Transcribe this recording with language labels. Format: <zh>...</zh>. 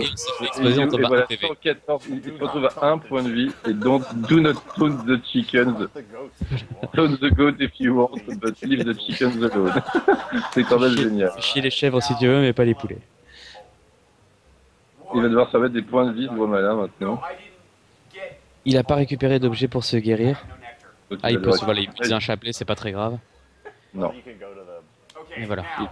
<fr>Et voilà, 114, il se retrouve à un point de vie et donc</fr> <en>do not tone the chickens. Tone the goat if you want, but leave the chickens alone.</en> <fr>C'est quand même génial. Chier les chèvres si tu veux, mais pas les poulets. Il va devoir se mettre des points de vie, gros malin, maintenant. Il a pas récupéré d'objets pour se guérir. Ah, il peut se voir, il utilise un chapelet, c'est pas très grave. Non. Et voilà.</fr>